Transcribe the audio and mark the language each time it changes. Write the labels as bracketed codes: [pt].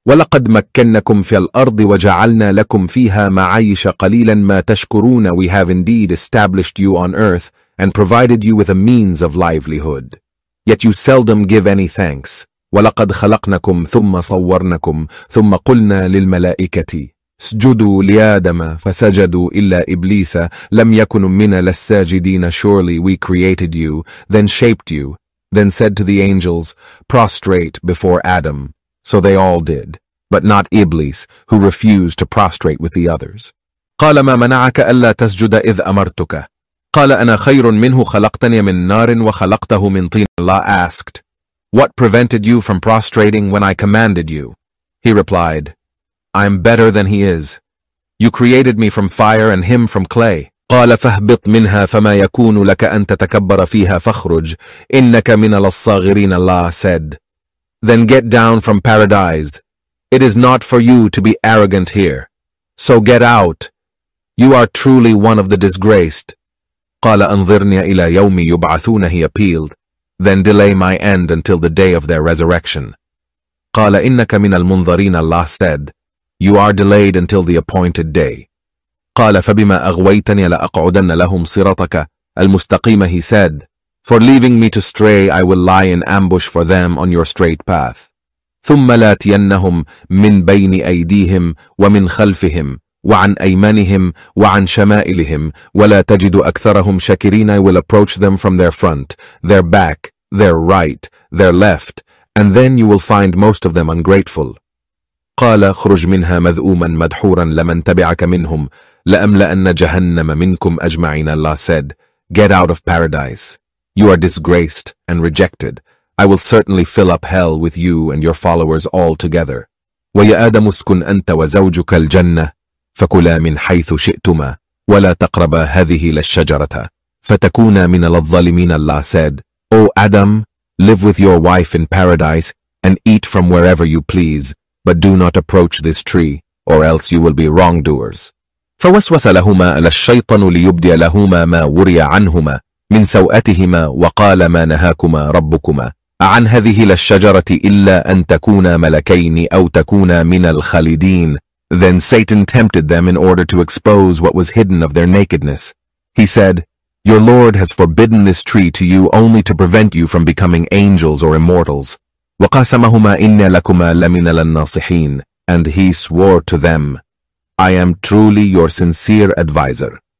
[ar] ولقد مكنكم في الأرض وجعلنا لكم فيها معايش قليلا ما تشكرون. [en] We have indeed established you on earth and provided you with a means of livelihood. Yet you seldom give any thanks. [ar] ولقد خلقناكم ثم صورناكم ثم قلنا للملائكة اسجدوا لآدم فسجدوا إلا إبليس لم يكن من الساجدين. [en] Surely we created you, then shaped you, then said to the angels, prostrate before Adam. So they all did, but not Iblis, who refused to prostrate with the others. [ar] قال ما منعك ألا تسجد إذ أمرتك؟ قال أنا خير منه خلقتني من نار وخلقته من طين. [en] Allah asked, what prevented you from prostrating when I commanded you? He replied, I am better than he is. You created me from fire and him from clay. [ar] قال فاهبط منها فما يكون لك أن تتكبر فيها فاخرج إنك من الصاغرين. [en] Allah said, then get down from paradise. It is not for you to be arrogant here. So get out. You are truly one of the disgraced. [ar] قال انظرني إلى يوم يبعثون. [en] He appealed, then delay my end until the day of their resurrection. [ar] قال إنك من المنظرين. [en] Allah said, you are delayed until the appointed day. [ar] قال فبما أغويتني لأقعدن لهم صراطك المستقيمة. [en] He said, for leaving me to stray, I will lie in ambush for them on your straight path. [ar] ثم لاتينهم من بين أيديهم ومن خلفهم وعن أيمانهم وعن شمائلهم ولا تجد أكثرهم شاكرين. [en] I will approach them from their front, their back, their right, their left, and then you will find most of them ungrateful. [ar] قال خرج منها مذؤوما مدحورا لمن تبعك منهم لأملأن جهنم منكم أجمعين. [en] Allah said, get out of paradise. You are disgraced and rejected. I will certainly fill up hell with you and your followers all together. [ar] ويا آدم اسكن أنت وزوجك الجنة فكلا من حيث شئتما ولا تقربا هذه للشجرة فتكونا من الظالمين. [en] Allah said, O Adam, live with your wife in paradise and eat from wherever you please, but do not approach this tree, or else you will be wrongdoers. [ar] فوسوس لهما الشيطان ليبدي لهما ما وري عنهما من سوءتهما وقال ما نهاكما ربكما عن هذه للشجرة إلا أن تكونا ملكين أو تكونا من الخالدين. [en] Then Satan tempted them in order to expose what was hidden of their nakedness. He said, your Lord has forbidden this tree to you only to prevent you from becoming angels or immortals. [ar] وقاسمهما إن لكما لمن الناصحين. [en] And he swore to them, I am truly your sincere advisor.